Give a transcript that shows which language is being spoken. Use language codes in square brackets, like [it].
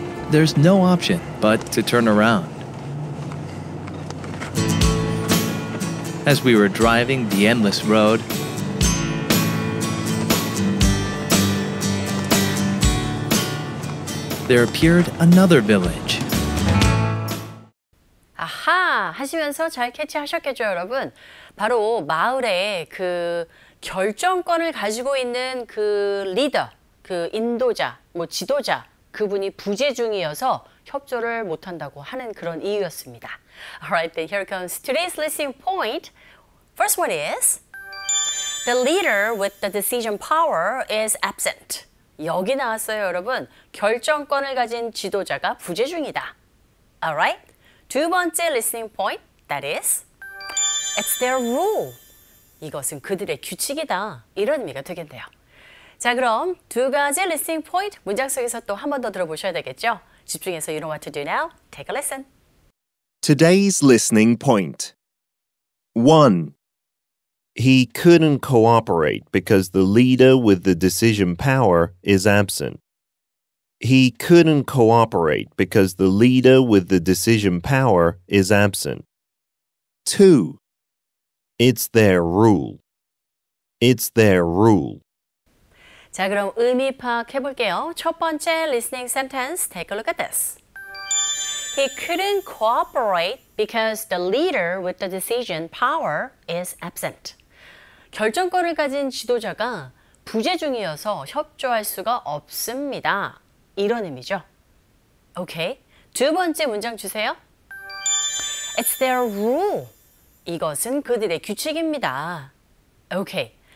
[en] There's no option but to turn around. As we were driving the endless road, There appeared another village. [ko] 아하! 하시면서 잘 캐치하셨겠죠, 여러분? 바로 마을에 그 결정권을 가지고 있는 그 리더, 그 인도자, 뭐 지도자, 그분이 부재 중이어서 협조를 못한다고 하는 그런 이유였습니다. [en] Alright, then here comes today's listening point. First one is The leader with the decision power is absent. [ko] 여기 나왔어요, 여러분. 결정권을 가진 지도자가 부재 중이다. [en] Alright? [ko] 두 번째 [en] listening point, that is, it's their rule. [ko] 이것은 그들의 규칙이다. 이런 의미가 되겠네요. 자, 그럼 두 가지 listening point 문장 속에서 또 한 번 더 들어보셔야 되겠죠? 집중해서 [en] you know what to do now. Take a listen. Today's listening point. 1. He couldn't cooperate because the leader with the decision power is absent. He couldn't cooperate because the leader with the decision power is absent. 2. It's their rule. It's their rule. [ko] 자, 그럼 의미 파악해 볼게요. 첫 번째 [en] listening sentence, take a look at this. He couldn't cooperate because the leader with the decision power is absent. [ko] 결정권을 가진 지도자가 부재 중이어서 협조할 수가 없습니다. 이런 의미죠. 오케이. 두 번째 문장 주세요. [en] It's their rule. [ko] 이것은 그들의 규칙입니다. 오케이.